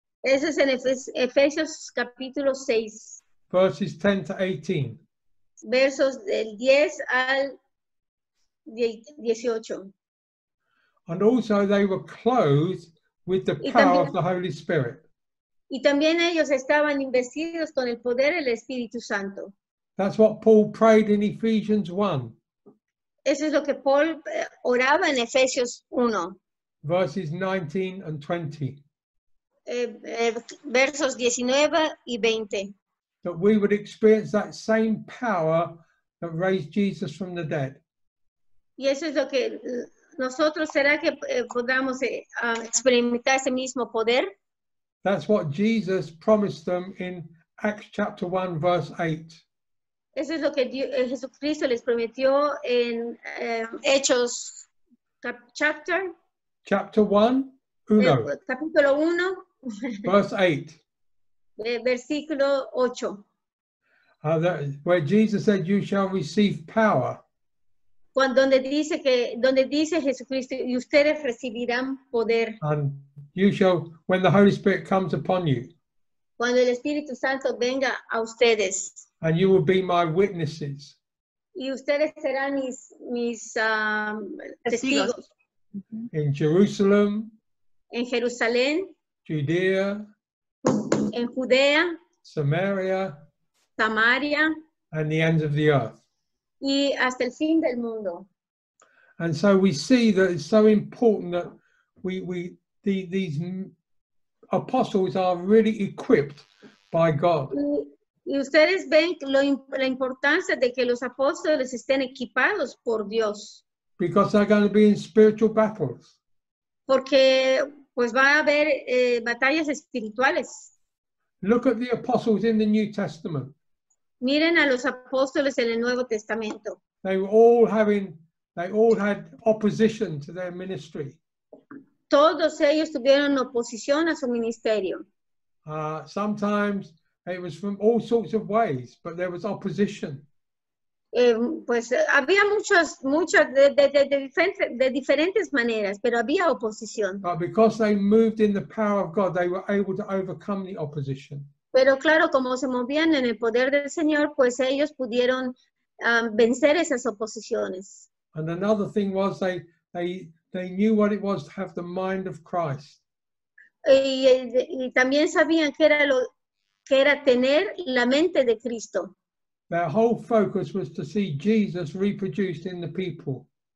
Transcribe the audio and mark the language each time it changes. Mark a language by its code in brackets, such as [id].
[es] Ese es en Efesios capítulo 6. [en] Verses 10 to 18. [es] Versos del 10 al 18. [en] And also they were clothed with the power of the Holy Spirit. [es] Y también ellos estaban investidos con el poder del Espíritu Santo. [en] That's what Paul prayed in Ephesians 1. [es] Eso es lo que Paul oraba en Efesios 1. [en] Verses 19 and 20. [es] Versos 19 y 20. [en] That we would experience that same power that raised Jesus from the dead. [es] Y eso es lo que nosotros, ¿será que podamos experimentar ese mismo poder? [en] That's what Jesus promised them in Acts chapter 1, verse 8. [es] Eso es lo que Jesucristo les prometió en Hechos chapter. [en] Chapter 1, 1. [es] Capítulo 1. [en] Verse 8. [es] Versículo 8. [en] Where Jesus said, you shall receive power. [es] Donde dice Jesucristo, y ustedes recibirán poder. [en] And you shall, when the Holy Spirit comes upon you. [es] Cuando el Espíritu Santo venga a ustedes. [en] And you will be my witnesses. [es] Y ustedes serán mis testigos. [en] In Jerusalem. [es] En Jerusalén. [en] Judea. [es] En Judea, [en] Samaria, and the ends of the earth. [es] Y hasta el fin del mundo. [en] And so we see that it's so important that these apostles are really equipped by God. [es] Y ustedes ven la importancia de que los apóstoles estén equipados por Dios. [en] Because they're going to be in spiritual battles. [es] Porque pues va a haber batallas espirituales. [en] Look at the apostles in the New Testament. [es] Miren a los apóstoles en el Nuevo Testamento. [en] They all had opposition to their ministry. [es] Todos ellos tuvieron oposición a su ministerio. [en] Sometimes it was from all sorts of ways, but there was opposition. [es] Pues había muchas de diferentes maneras, pero había oposición. [en] But because they moved in the power of God, they were able to overcome the opposition. [es] Pero claro, como se movían en el poder del Señor, pues ellos pudieron vencer esas oposiciones. [en] And another thing was they knew what it was to have the mind of Christ. [es] Y también sabían que era tener la mente de Cristo. [en] Their whole focus was to see Jesus reproduced in the people.